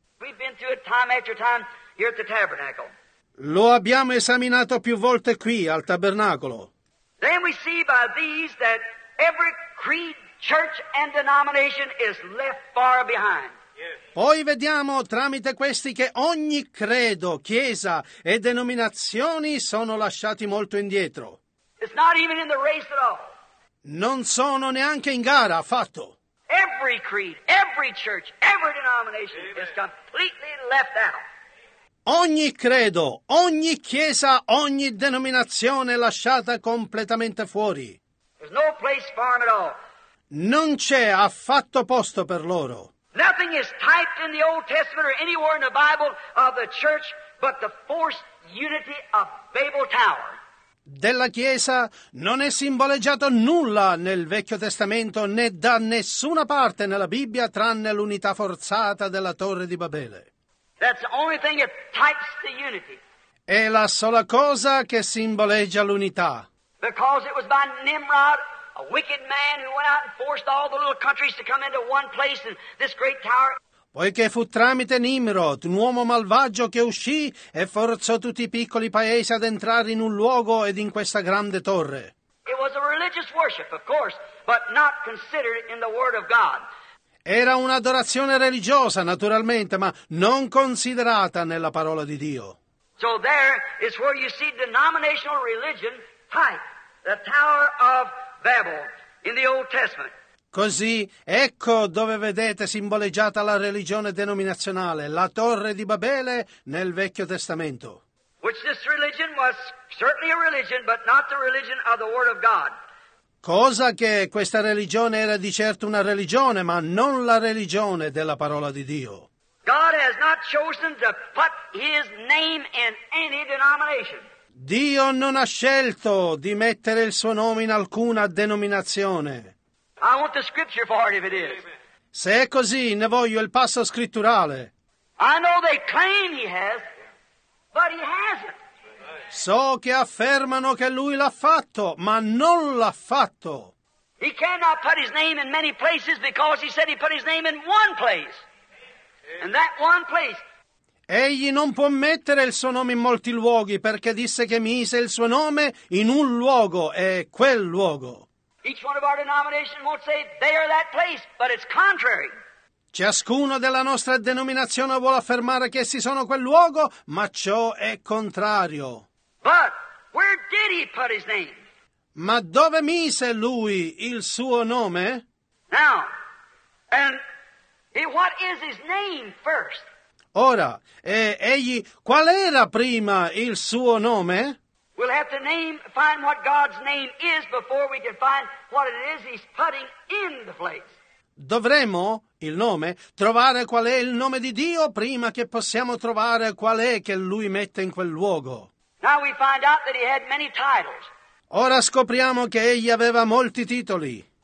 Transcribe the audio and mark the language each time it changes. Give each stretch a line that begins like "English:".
English: We've been through it time after time here at the tabernacle.
Italian: Lo abbiamo esaminato più volte qui al tabernacolo.
English: Then we see by these that every creed, church and denomination is left far behind.
Italian: Poi vediamo tramite questi che ogni credo, chiesa e denominazioni sono lasciati molto indietro.
English: It's not even in the race at all.
Italian: Non sono neanche in gara affatto.
English: Every creed, every church, every denomination is completely left out.
Italian: Ogni credo, ogni chiesa, ogni denominazione lasciata completamente fuori.
English: There's no place for them at all.
Italian: Non c'è affatto posto per loro.
English: Nothing is typed in the Old Testament or anywhere in the Bible of the church but the forced unity of Babel Tower.
Italian: Della Chiesa non è simboleggiato nulla nel Vecchio Testamento né da nessuna parte nella Bibbia tranne l'unità forzata della Torre di Babele.
English: That's the only thing that types the unity.
Italian: È la sola cosa che simboleggia l'unità.
English: Because it was by Nimrod, a wicked man who went out and forced all the little countries to come into one place in this great tower.
Italian: Poiché fu tramite Nimrod, un uomo malvagio che uscì e forzò tutti i piccoli paesi ad entrare in un luogo ed in questa grande torre.
English: It was a religious worship, of course, but not considered in the Word of God.
Italian: Era un'adorazione religiosa, naturalmente, ma non considerata nella parola di Dio.
English: So there is where you see denominational religion type, the Tower of Babel in the Old Testament.
Italian: Così, ecco dove vedete simboleggiata la religione denominazionale, la Torre di Babele nel Vecchio Testamento.
English: Which this religion was certainly a religion, but not the religion of the Word of God.
Italian: Cosa che questa religione era di certo una religione, ma non la religione della parola di Dio.
English: God has not chosen to put his name in any denomination.
Italian: Dio non ha scelto di mettere il suo nome in alcuna denominazione.
English: I want the scripture for it if it is.
Italian: Se è così, ne voglio il passo scritturale.
English: I know they claim he has, but he hasn't.
Italian: So che affermano che lui l'ha fatto, ma non l'ha fatto.
English: He cannot put his name in many places because he said he put his name in one place. In that one place.
Italian: Egli non può mettere il suo nome in molti luoghi perché disse che mise il suo nome in un luogo, e quel luogo.
English: Each one of our denomination won't say they are that place, but it's contrary.
Italian: Ciascuno della nostra denominazione vuole affermare che essi sono quel luogo, ma ciò è contrario.
English: But where did he put his name?
Italian: Ma dove mise lui il suo nome?
English: Now, and what is his name first?
Italian: Ora, e egli, qual era prima il suo nome?
English: We'll have to find what God's name is before we can find what it is he's putting in the place.
Italian: Dovremmo, il nome, trovare qual è il nome di Dio prima che possiamo trovare qual è che lui mette in quel luogo.
English: Now we find out that he had many titles.
Italian: Ora scopriamo che egli aveva molti titoli.